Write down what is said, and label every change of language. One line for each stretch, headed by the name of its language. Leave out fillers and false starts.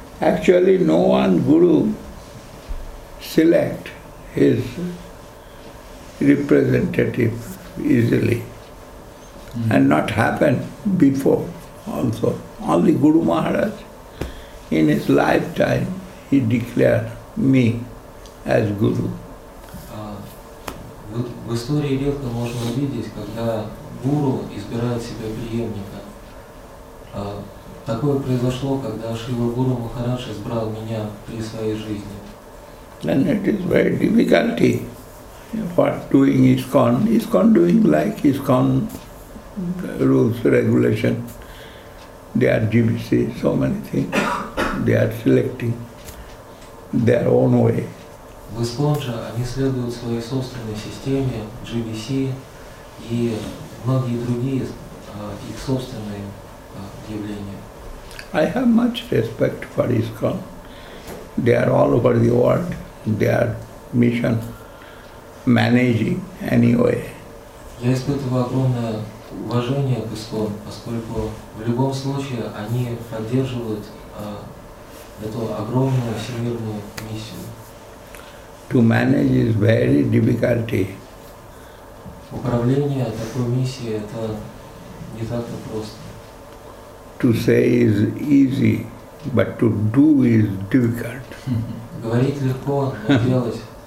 English: Actually, no one guru select his representative easily, and not happen before also. Only Guru Maharaj, in his lifetime, he declared me as guru.
Russian: В истории редко можно увидеть, когда гуру избирает себе преемника. Такое произошло, когда Шрила Гуру Махарадж избрал меня при своей жизни.
English: Then it is very difficulty for doing ISKCON. ISKCON doing like ISKCON rules, regulation. They are GBC, so many things. They are selecting their own way.
Russian: В ISKCON же они следуют своей собственной системе, GBC, и многие другие их собственные явления.
English: I have much respect for ISKCON. They are all over the world. Their mission managing anyway.
Russian: Я испытываю огромное уважение к ISKCON, поскольку в любом случае они поддерживают эту огромную всемирную миссию.
English: To manage is very difficult.
Russian: Управление такой миссией – это не так-то просто.
English: To say is easy, but to do is difficult.
Russian: Говорить легко, но делать